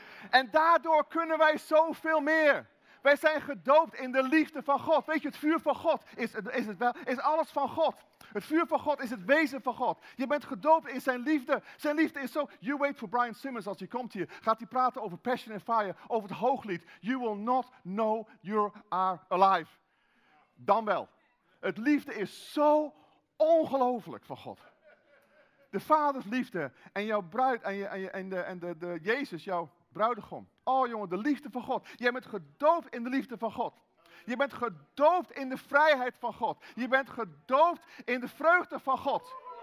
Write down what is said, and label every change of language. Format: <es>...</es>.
<nl>En daardoor kunnen wij zoveel meer. Wij zijn gedoopt in de liefde van God. Weet je, het vuur van God is alles van God. Het vuur van God is het wezen van God. Je bent gedoopt in zijn liefde. Zijn liefde is zo.</nl> <en>You wait for Brian Simmons</en> <nl>als hij komt hier. Gaat hij praten over Passion and Fire, over het Hooglied.</nl> <en>You will not know you are alive.</en> <nl>Dan wel. Het liefde is zo ongelooflijk van God. De Vaders liefde en jouw bruid en de Jezus, jouw bruidegom. Oh jongen, de liefde van God. Jij bent gedoopt in de liefde van God. Je bent gedoopt in de vrijheid van God. Je bent gedoopt in de vreugde van God.</nl>